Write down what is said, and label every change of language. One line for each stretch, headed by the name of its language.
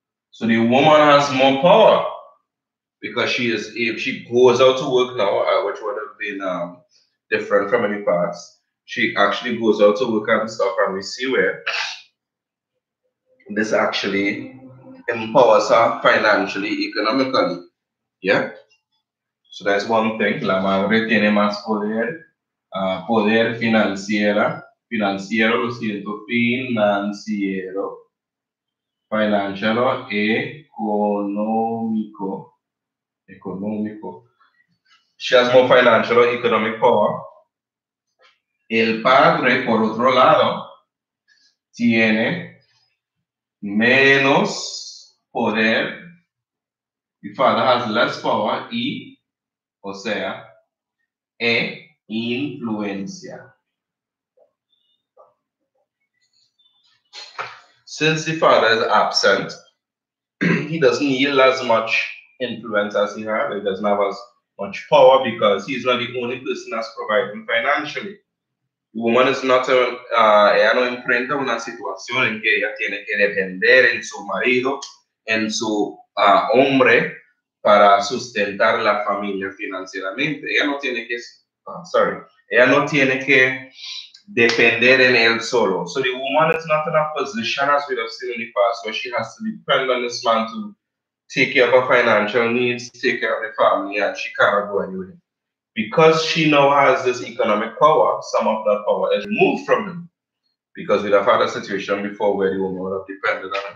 English: So the woman has more power because she is, if she goes out to work now, which would have been different from any past, she actually goes out to work and stuff, and we see where this actually empowers her financially, economically. Yeah. So that's one thing.
Spanish: La madre tiene más poder, poder financiera, financiero, lo siento, financiero, financial, económico, económico.
English: She has more financial or economic power.
Spanish: El padre, por otro lado, tiene menos poder.
English: The father has less power
Spanish: y, o sea, e influencia.
English: Since the father is absent, he doesn't yield as much influence as he had. He doesn't have as much power because he's not the only person that's providing financially. The woman is not
Spanish: ella no enfrenta una situación en que ella tiene que depender en su marido, en su hombre, para sustentar la familia financieramente. Ella no tiene que, ella no tiene que depender en él solo.
English: So the woman is not in a position, as we have seen in the past, where she has to depend on this man to take care of her financial needs, take care of the family, and she cannot go anywhere. Because she now has this economic power, some of that power is removed from him. Because we'd have had a situation before where the woman would have depended on him.